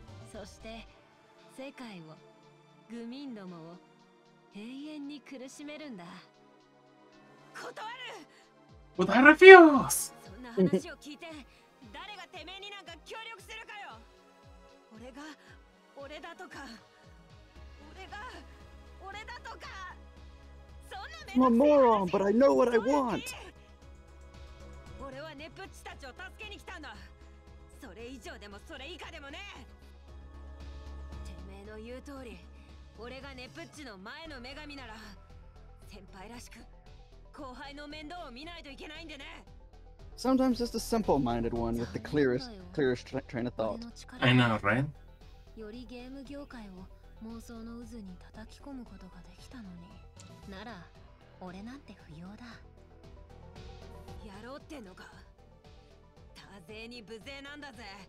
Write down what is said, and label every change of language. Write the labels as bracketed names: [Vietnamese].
[Japanese] そして世界を、愚民どもを永遠に苦しめるんだ。断る。 [English] But I refuse。 [Japanese] そんな話を聞いて誰がてめえになんか協力するかよ。俺が俺だとか、俺が俺だとか。 [English] I'm a moron, but I know what I want. [Japanese] 俺はネプチたちを助けに来たんだ。それ以上でもそれ以下でもね。てめえの言う通り、俺がネプチの前の女神なら、先輩らしく後輩の面倒を見ないといけないんでね。 [English] Sometimes just a simple-minded one with the clearest train of thought. I know, right? [Japanese] よりゲーム業界を妄想の渦に叩き込むことができたのに。なら俺なんて不要だ。やろうってのか。多勢に無勢なんだぜ。